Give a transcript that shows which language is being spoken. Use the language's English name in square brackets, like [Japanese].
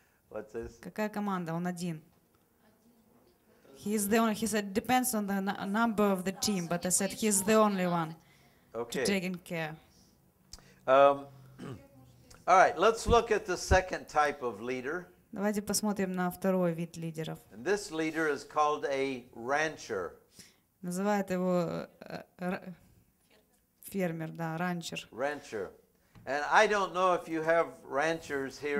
[English] What's this? [Russian] Какая команда? Он один. [English] He said depends on the number of the team, but I said he's the only one okay. to take care. All right, let's look at the second type of leader. [Russian] Давайте посмотрим на второй вид лидеров. [English] And this leader is called a rancher. [Russian] Называют его фермер, да, ранчер. [English] Rancher. And I don't know if you have ranchers here